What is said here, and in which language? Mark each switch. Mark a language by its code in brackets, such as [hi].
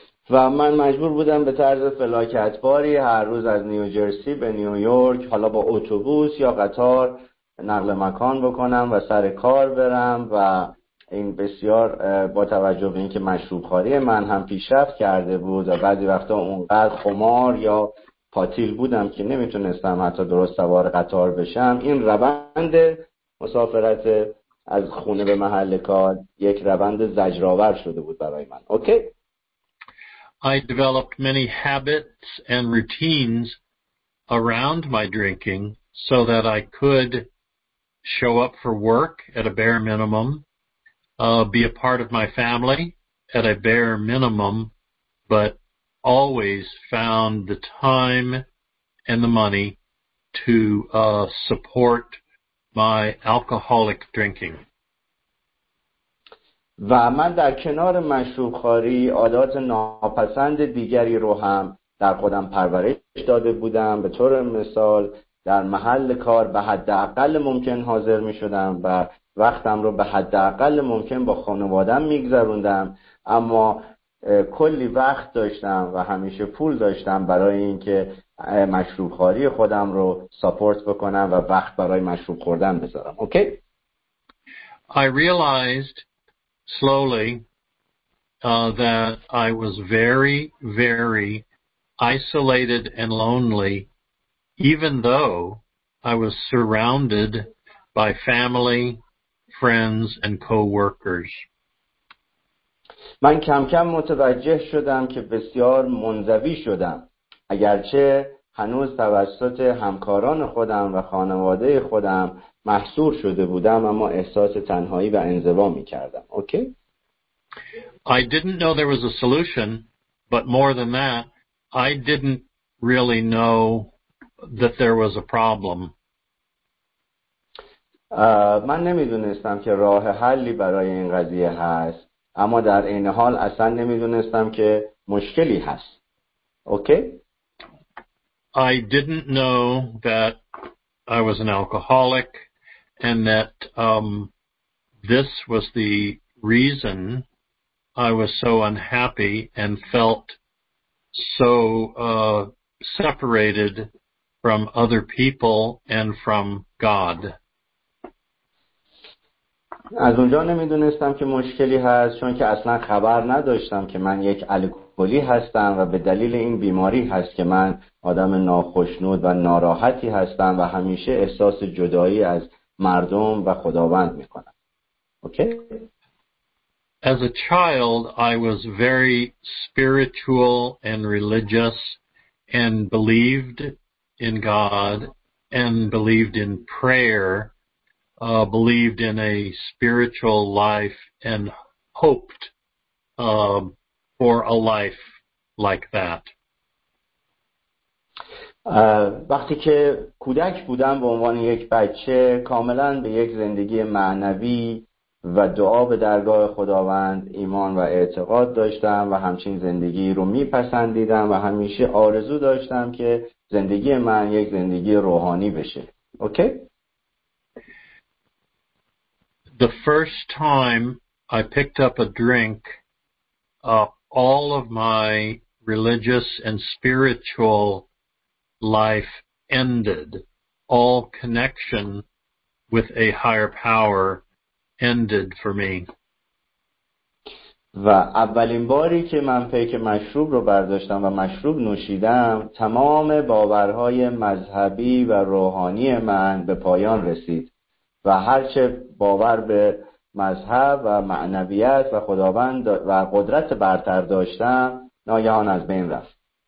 [fa] و من مجبور بودم به طرز فلاکتباری هر روز از نیوجرسی به نیویورک حالا با اتوبوس یا قطار نقل مکان بکنم و سر کار برم و این بسیار با توجه به اینکه مشروب‌خواری من هم پیشرفت کرده بود و بعضی وقتا اونقدر خمار یا پاتیل بودم که نمیتونستم حتی درست سوار قطار بشم، این روند مسافرت از خونه به محل کار یک روند زجرآور شده بود برای من. [en] Okay? I developed many habits and routines around my drinking so that I could show up for work at a bare minimum, be a part of my family at a bare minimum, but always found the time and the money to support my alcoholic drinking. [fa] و من در کنار مشروب‌خواری عادات ناپسند دیگری رو هم در خودم پرورش داده بودم، به طور مثال در محل کار به حداقل ممکن حاضر می شدم و وقتم رو به حداقل ممکن با خانواده‌ام می گذروندم، اما کلی وقت داشتم و همیشه پول داشتم برای اینکه مشروب‌خواری خودم رو ساپورت بکنم و وقت برای مشروب خوردن بذارم. [en] Okay? I realized slowly that I was very, very isolated and lonely, even though I was surrounded by family, friends, and co-workers. [fa] من کم کم متوجه شدم که بسیار منزوی شدم، اگرچه هنوز توسط همکاران خودم و خانواده خودم محصور شده بودم، اما احساس تنهایی و انزوا می کردم. [en] Okay? I didn't know there was a solution, but more than that, I didn't really know that there was a problem. [fa] من نمیدونستم که راه حلی برای این قضیه هست، اما در این حال اصلا نمیدونستم که مشکلی هست. [en] Okay? I didn't know that I was an alcoholic and that this was the reason I was so unhappy and felt so separated from other people and from God. [fa] از اونجا نمیدونستم که مشکلی هست، چون که اصلا خبر نداشتم که من یک الکلی هستم و به دلیل این بیماری هست که من آدم ناخشنود و ناراحتی هستم و همیشه احساس جدایی از مردم و خداوند میکنم. [en] Okay? As a child, I was very spiritual and religious and believed in God and believed in prayer, believed in a spiritual life and hoped for a life like that. [fa] وقتی که کودک بودم به عنوان یک بچه کاملا به یک زندگی معنوی و دعا به درگاه خداوند ایمان و اعتقاد داشتم و همچنین زندگی رو میپسندیدم و همیشه آرزو داشتم که زندگی من یک زندگی روحانی بشه. [en] Okay? The first time I picked up a drink, all of my religious and spiritual life ended. All connection with a higher power ended for me. [fa] و اولین باری که من پیک مشروب رو برداشتم و مشروب نوشیدم، تمام باورهای مذهبی و روحانی من به پایان رسید و هرچه باور به مذهب و معنویت و خداوند و قدرت برتر داشتم ناگهان از بین رفت.